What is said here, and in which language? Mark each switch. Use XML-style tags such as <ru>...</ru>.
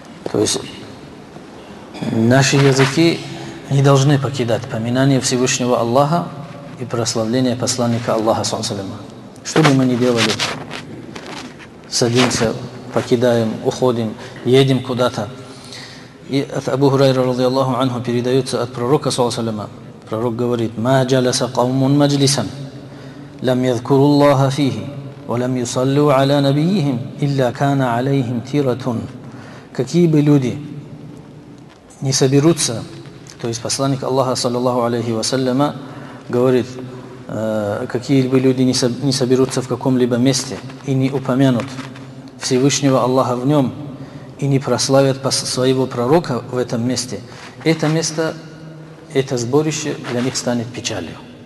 <ru>То есть наши языки не должны покидать поминание Всевышнего Аллаха и прославление посланника Аллаха, саллаллаху алейхи вассаляма. Что бы мы ни делали, садимся, покидаем, уходим, едем куда-то. И от Абу Хурайра, радиаллаху анху, передается от пророка, саллаллаху алейхи вассаляма. Пророк говорит:</ru> <ar>«Ма джаляса каумун маджлисан». لم يذكروا الله فيه ولم يصلوا على نبيهم إلا كان عليهم تيرة.</ar> <ru>Какие бы люди не соберутся, то есть посланник Аллаха, саллаллаху алейхи вассаляма, говорит, какие бы люди не соберутся в каком-либо месте и не упомянут Всевышнего Аллаха в нем и не прославят своего пророка в этом месте, это место, это сборище для них станет печалью.</ru>